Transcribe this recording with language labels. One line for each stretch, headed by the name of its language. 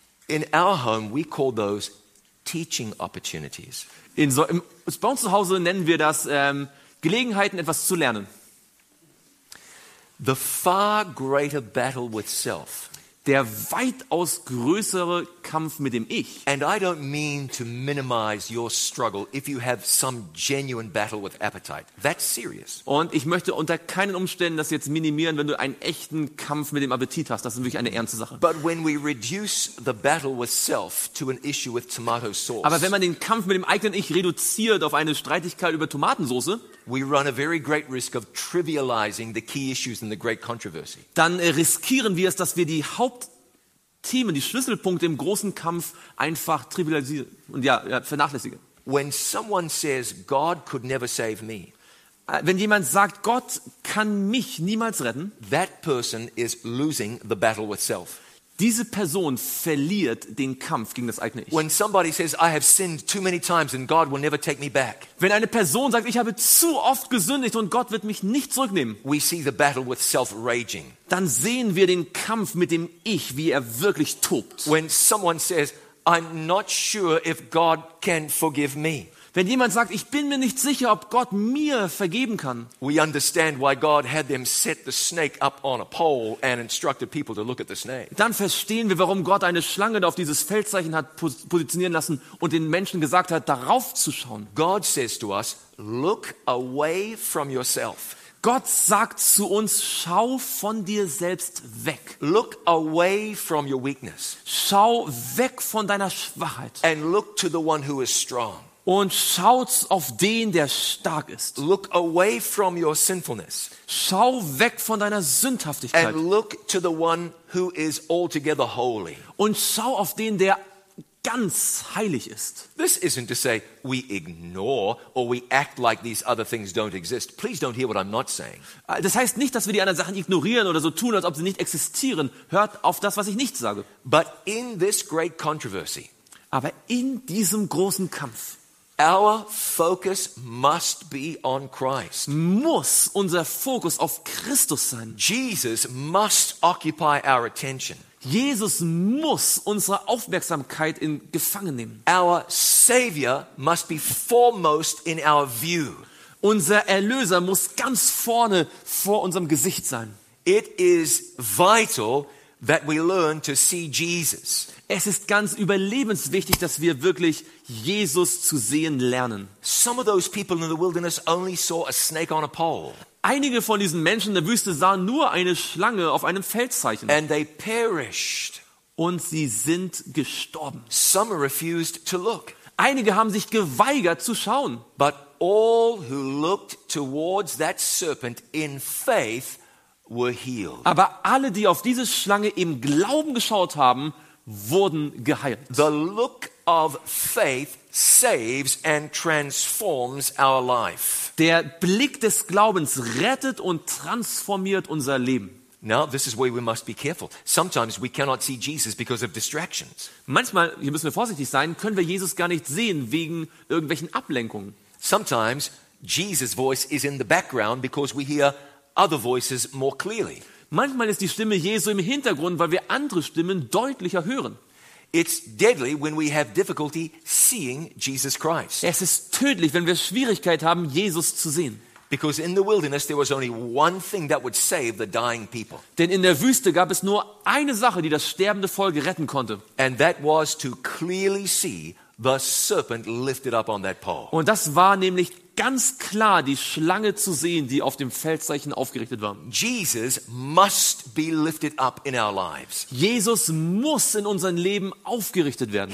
English: In our home, we call those teaching opportunities.
German: Bei uns zu Hause nennen wir das Gelegenheiten, etwas zu lernen.
English: The far greater battle with self.
German: Der weitaus größere Kampf mit dem Ich.
English: And I don't mean to minimize your struggle if you have some genuine battle with appetite. That's serious.
German: Und ich möchte unter keinen Umständen das jetzt minimieren, wenn du einen echten Kampf mit dem Appetit hast. Das ist wirklich eine ernste Sache.
English: But when we reduce the battle with self to an issue with tomato sauce.
German: Aber wenn man den Kampf mit dem eigenen Ich reduziert auf eine Streitigkeit über Tomatensauce,
English: we run a very great risk of trivializing the key issues in the great controversy.
German: Dann riskieren wir es, dass wir die Haupt Themen, die Schlüsselpunkte im großen Kampf einfach trivialisieren und vernachlässigen.
English: When someone says, God could never save me,
German: wenn jemand sagt, Gott kann mich niemals retten,
English: that person is losing the battle with self.
German: Diese Person verliert den Kampf gegen das eigene Ich.
English: When somebody says, I have sinned too many times and God will never take me back.
German: Wenn eine Person sagt, ich habe zu oft gesündigt und Gott wird mich nicht zurücknehmen,
English: we see the battle with self raging.
German: Dann sehen wir den Kampf mit dem Ich, wie er wirklich tobt.
English: When someone says, I'm not sure if God can forgive me.
German: Wenn jemand sagt, ich bin mir nicht sicher, ob Gott mir vergeben kann.
English: We understand why God had them set the snake up on a pole and instructed people to look at the snake.
German: Dann verstehen wir, warum Gott eine Schlange auf dieses Feldzeichen hat positionieren lassen und den Menschen gesagt hat, darauf zu schauen.
English: God says to us, look away from yourself.
German: Gott sagt zu uns, schau von dir selbst weg.
English: Look away from your weakness.
German: Schau weg von deiner Schwachheit.
English: And look to the one who is strong.
German: Und schaut auf den, der stark ist.
English: Look away from your sinfulness.
German: Schau weg von deiner Sündhaftigkeit.
English: And look to the one who is altogether holy.
German: Und schau auf den, der ganz heilig ist.
English: This isn't to say we ignore or we act like these other things don't exist. Please don't hear what I'm not saying.
German: Das heißt nicht, dass wir die anderen Sachen ignorieren oder so tun, als ob sie nicht existieren. Hört auf das, was ich nicht sage.
English: But in this great controversy.
German: Aber in diesem großen Kampf.
English: Our focus must be on Christ.
German: Muss unser Fokus auf Christus sein.
English: Jesus must occupy our attention.
German: Jesus muss unsere Aufmerksamkeit in Gefangen nehmen.
English: Our Savior must be foremost in our view.
German: Unser Erlöser muss ganz vorne vor unserem Gesicht sein.
English: It is vital that we learn to see Jesus.
German: Es ist ganz überlebenswichtig, dass wir wirklich Jesus zu sehen lernen.
English: Some of those people in the wilderness only saw a snake on a pole.
German: Einige von diesen Menschen in der Wüste sahen nur eine Schlange auf einem Feldzeichen.
English: And they perished.
German: Und sie sind gestorben.
English: Some refused to look.
German: Einige haben sich geweigert zu schauen.
English: But all who looked towards that serpent in faith were healed.
German: Aber alle, die auf diese Schlange im Glauben geschaut haben, wurden geheilt.
English: The look of faith saves and transforms our life.
German: Der Blick des Glaubens rettet und transformiert unser Leben.
English: Now this is where we must be careful. Sometimes we cannot see Jesus because of distractions.
German: Manchmal, hier müssen wir vorsichtig sein, können wir Jesus gar nicht sehen wegen irgendwelchen Ablenkungen.
English: Sometimes Jesus' voice is in the background because we hear other voices more clearly.
German: Manchmal ist die Stimme Jesu im Hintergrund, weil wir andere Stimmen deutlicher hören.
English: It's deadly when we have difficulty seeing Jesus Christ.
German: Es ist tödlich, wenn wir Schwierigkeit haben, Jesus zu sehen.
English: Because in the wilderness there was only one thing that would save the dying people.
German: Denn in der Wüste gab es nur eine Sache, die das sterbende Volk retten konnte.
English: And that was to clearly see the serpent lifted up on that pole.
German: Und das war nämlich ganz klar die Schlange zu sehen, die auf dem Feldzeichen aufgerichtet war.
English: Jesus must be lifted up in our lives.
German: Jesus muss in unserem Leben aufgerichtet werden.